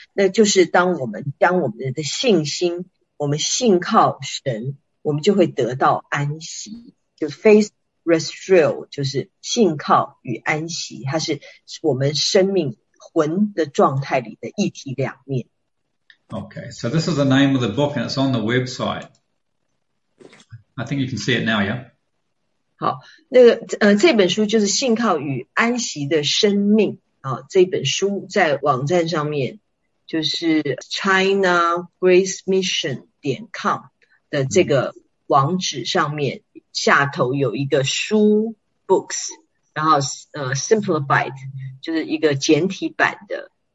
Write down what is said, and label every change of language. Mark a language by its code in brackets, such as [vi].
[zh] 那就是当我们将我们的信心，我们信靠神，我们就会得到安息，就是 [en] faith rest real， [zh] 就是信靠与安息，它是我们生命魂的状态里的一体两面。 [en] Okay, so this is the name of the book, and it's on the website. I think you can see it now, yeah. [zh] 好，那个这本书就是《信靠与安息的生命》啊，这本书在网站上面就是 ChinaGraceMission.com 的这个网址上面下头有一个书 books， 然后simplified 就是一个简体版的，